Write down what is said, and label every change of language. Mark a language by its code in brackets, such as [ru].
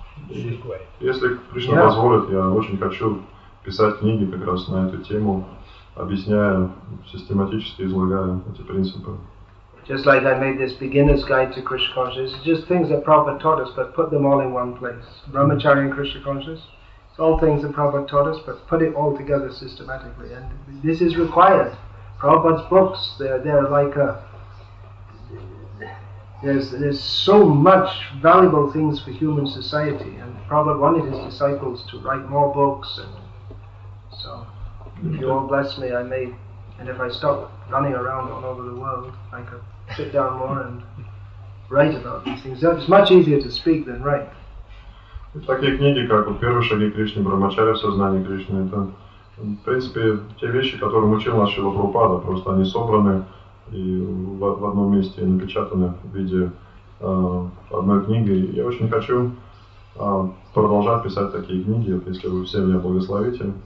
[ru] Если Кришна позволит, я очень хочу писать книги как раз на эту тему, объясняя, систематически излагая эти принципы. [en] Just like I made this beginner's guide to Krishna consciousness, it's just things that Prabhupada taught us, but put them all in one place. Brahmacharya and Krishna consciousness, it's all things that Prabhupada taught us, but put it all together systematically. And this is required. Prabhupada's books, there's so much valuable things for human society, and Prabhupada wanted his disciples to write more books, and so if you all bless me, I may, and if I stop running around all over the world, I could sit down more and write about these things. It's much easier to speak than write. [ru] Такие книги, как «Первые шаги Кришны», «Брахмачарья в сознании Кришны», это, в принципе, те вещи, которым учил нас Шрила Прабхупада, просто они собраны и в одном месте напечатаны в виде одной книги. Я очень хочу продолжать писать такие книги, если вы все меня благословите.